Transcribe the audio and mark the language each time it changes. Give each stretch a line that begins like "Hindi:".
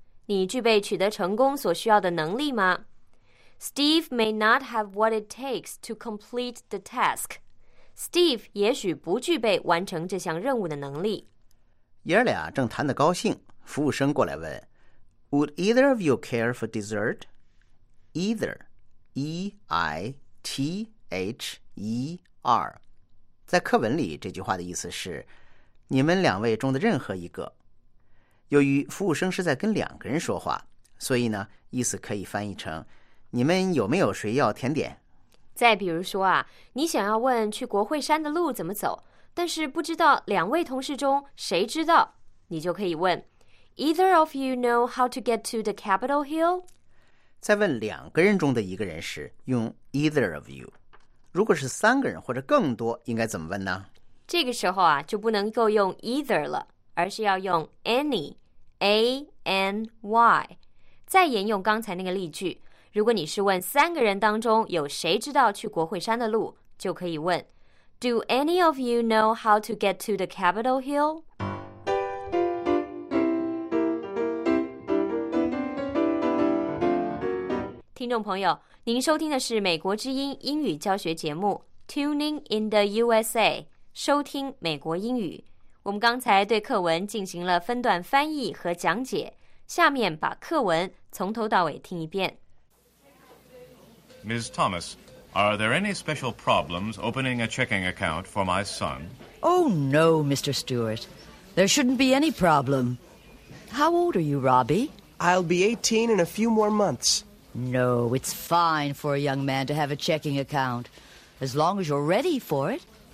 Chinese: 你具备取得成功所需要的能力吗？
English: Steve may not have what it takes to complete the task.
Chinese: Steve 也许不具备完成这项任务的能力。爷俩正谈得高兴，服务生过来问
English: Would either of you care for dessert?
Chinese: Either, E-I-T-H-E-R 在课文里这句话的意思是你们两位中的任何一个。由于服务生是在跟两个人说话，所以呢意思可以翻译成你们有没有谁要甜点。再比如说啊，你想要问去国会山的路怎么走，但是不知道两位同事中谁知道，你就可以问
English: Either of you know how to get to the Capitol Hill?
Chinese: 在问两个人中的一个人时用 Either of you，如果是三个人或者更多应该怎么问呢？这个时候啊，就不能够用 either 了，而是要用 any A-N-Y。再沿用刚才那个例句，如果你是问三个人当中有谁知道去国会山的路，就可以问
English: Do any of you know how to get to the Capitol Hill?
Chinese: 您收听的是美国之音英语教学节目 Tuning in the USA， 收听美国英语。我们刚才对课文进行了分段翻译和讲解，下面把课文从头到尾听一遍。
English: Ms. Thomas, are there any special problems opening a checking account for my son? Oh no, Mr. Stewart. There shouldn't be any problem. How old are you, Robbie? I'll be 18 in a few more months. No, it's fine for a young man to have a checking account, as long as you're ready for it.